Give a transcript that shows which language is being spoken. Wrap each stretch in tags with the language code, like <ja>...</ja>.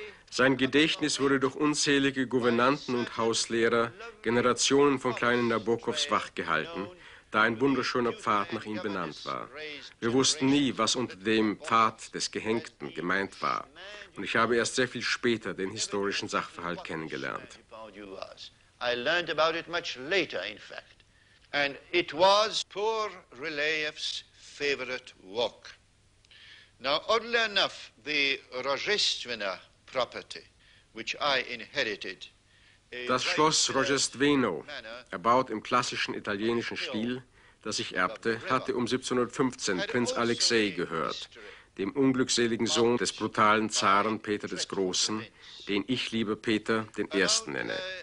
<de>Sein Gedächtnis wurde durch unzählige Gouvernanten und Hauslehrer, Generationen von kleinen Nabokovs, wachgehalten, da ein wunderschöner Pfad nach ihm benannt war. Wir wussten nie, was unter dem Pfad des Gehängten gemeint war. Und ich habe erst sehr viel später den historischen Sachverhalt kennengelernt.</de> <en>I learned about it much later, in fact. And it was poor Relayev's favorite walk. Now, oddly enough, the Rozhestveno property, which I inherited,</en> <de>das Schloss Rozhestveno, erbaut im klassischen italienischen Stil, das ich erbte, hatte um 1715 Prinz Alexei gehört, dem unglückseligen Sohn des brutalen Zaren Peter des Großen, den ich lieber Peter den Ersten nenne.</de>